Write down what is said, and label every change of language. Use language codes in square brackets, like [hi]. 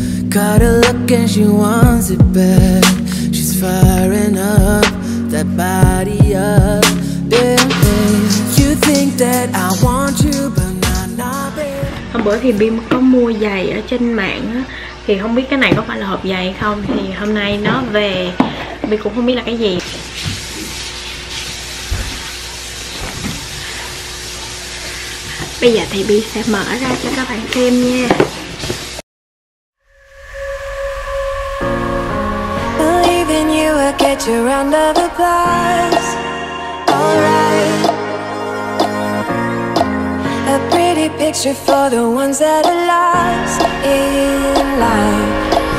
[en] Caught a look and she wants it back. She's firing up that body up, yeah. You think that I want you, but not babe. [vi] Hôm bữa thì Bim có mua giày ở trên mạng á, thì không biết cái này có phải là hộp giày không. Thì hôm nay nó về, Bim cũng không biết là cái gì. Bây giờ thì Bi sẽ mở ra cho các bạn xem nha. [en] Believe in you, I'll get you round of applause. Alright. A pretty picture for the ones that are lost in life.